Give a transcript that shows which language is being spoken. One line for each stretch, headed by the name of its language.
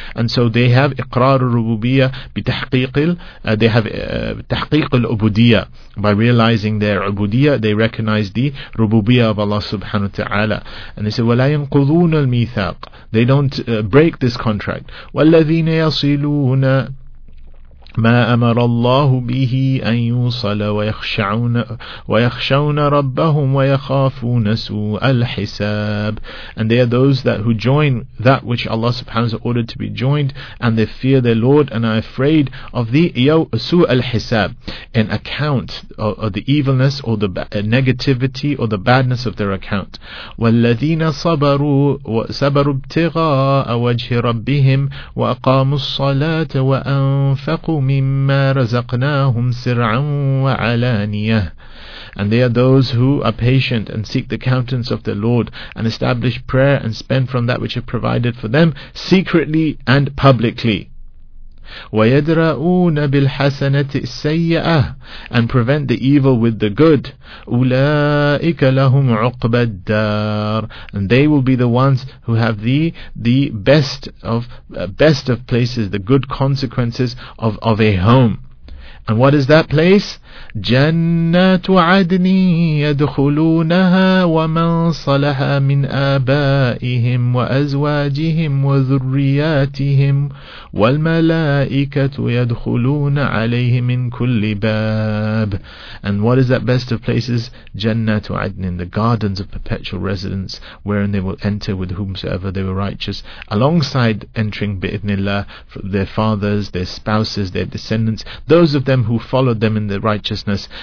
English: And so they have
Arabic: إِقْرَارُ الرُّبُوبِيَّةِ بِتَحْقِيقِ
English: they have
Arabic: تَحْقِيقُ الْعُبُودِيَّةِ,
English: by realizing their عُبُودِيَّة, they recognize the رُبُوبِيَّة of Allah subhanahu wa ta'ala. And they say,
Arabic: وَلَا يَنْقُضُونَ الْمِيثَاقِ,
English: they don't break this contract.
Arabic: وَالَّذِينَ يَصِلُونَ ما أمر الله به أن يوصل ويخشون ربهم ويخافون سوء الحساب.
English: And they are those that who join that which Allah subhanahu wa ta'ala ordered to be joined, and they fear their Lord and are afraid of the
Arabic: سوء الحساب,
English: an account of the evilness or the negativity or the badness of their account.
Arabic: والذين صبروا ابتغاء وجه ربهم وأقاموا الصلاة وأنفقوا مما رزقناهم سرعا وعلانية.
English: And they are those who are patient and seek the countenance of their Lord and establish prayer and spend from that which is provided for them secretly and publicly.
Arabic: ويدرؤون بالحسنة السيئة,
English: and prevent the evil with the good.
Arabic: أولئك لهم عقبى الدار,
English: and they will be the ones who have the best of places, the good consequences of a home. And what is that place?
Arabic: جنات عدن يدخلونها ومن صلح من آبائهم وأزواجهم وذرياتهم والملائكة يدخلون عليهم من كل باب.
English: And what is that best of places?
Arabic: جنات عدن,
English: the gardens of perpetual residence, wherein they will enter with whomsoever they were righteous, alongside entering
Arabic: بإذن الله
English: their fathers, their spouses, their descendants, those of them who followed them in the righteousness.